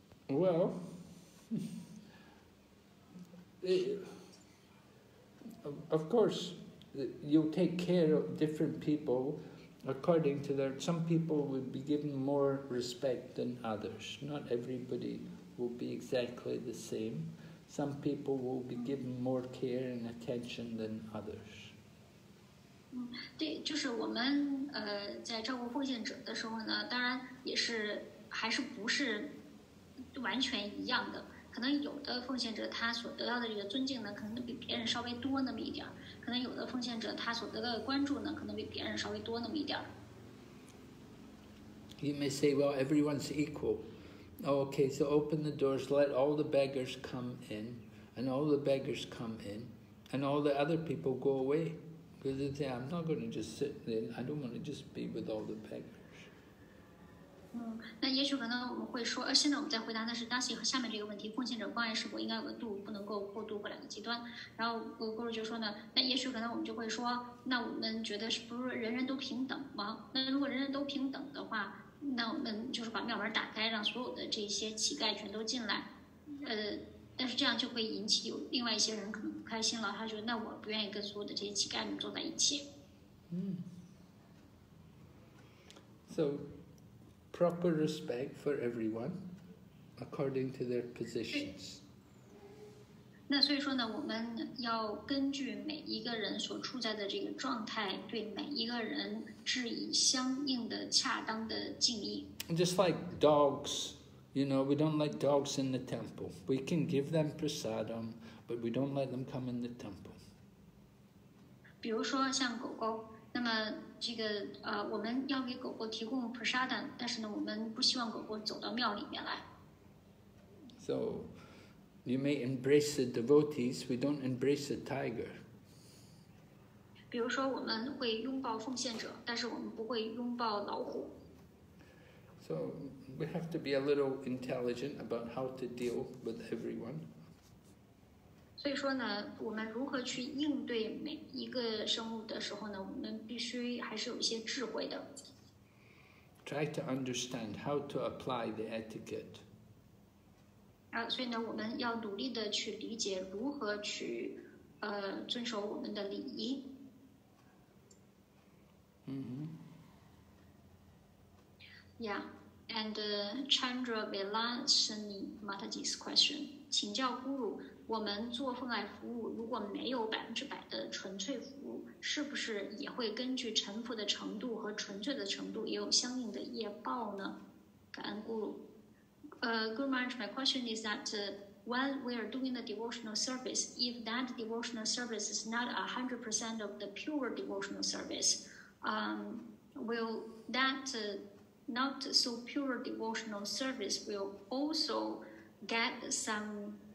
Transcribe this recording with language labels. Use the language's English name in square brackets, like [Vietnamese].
[English] Well, of course, you take care of different people according to their... Some people would be given more respect than others. Not everybody will be exactly the same. Some people will be given more care and attention than others. [Chinese] 对，就是我们在照顾奉献者的时候呢，当然也是还是不是完全一样的。可能有的奉献者他所得到的这个尊敬呢，可能比别人稍微多那么一点，可能有的奉献者他所得到的关注呢，可能比别人稍微多那么一点。 [English] You may say, well, everyone's equal. Okay, so open the doors, let all the beggars come in, and all the beggars come in. And all the other people go away because they say, I'm not going to just sit there, I don't want to just be with all the beggars. [Chinese] 那也许可能我们会说，现在我们在回答的是 Dasi 和下面这个问题，奉献者关爱是否应该有个度，不能够过度或两个极端。然后我Guru就说呢，那也许可能我们就会说，那我们觉得是不是人人都平等吗？那如果人人都平等的话，那我们就是把庙门打开，让所有的这些乞丐全都进来。但是这样就会引起有另外一些人可能不开心了，他觉得那我不愿意跟所有的这些乞丐们坐在一起。嗯。 [English] So. Proper respect for everyone according to their positions. [Chinese] 那所以说呢，我们要根据每一个人所处在的这个状态，对每一个人致以相应的恰当的敬意。 [English] Just like dogs, you know, we don't like dogs in the temple. We can give them prasadam, but we don't let them come in the temple. [Chinese] 比如说像狗狗。那么这个我们要给狗狗提供 prasadam， 但是呢，我们不希望狗狗走到庙里面来。 [English] So, you may embrace the devotees, we don't embrace the tiger. [Chinese] 比如说，我们会拥抱奉献者，但是我们不会拥抱老虎。 [English] So we have to be a little intelligent about how to deal with everyone. [Chinese] 所以说呢，我们如何去应对每一个生物的时候呢，我们必须还是有一些智慧的。 [English] Try to understand how to apply the etiquette. [Chinese] 所以呢，我们要努力的去理解如何去遵守我们的礼仪。 Mm-hmm. [English] Yeah, and Chandra Velan Sunni Mataji's question. [Chinese] 请教咕噜。我们做奉爱服务，如果没有百分之百的纯粹服务，是不是也会根据臣服的程度和纯粹的程度，也有相应的业报呢？感恩咕噜。 [English] Guru Maharaj, my question is that when we are doing the devotional service, if that devotional service is not 100% of the pure devotional service, will that not so pure devotional service will also get some?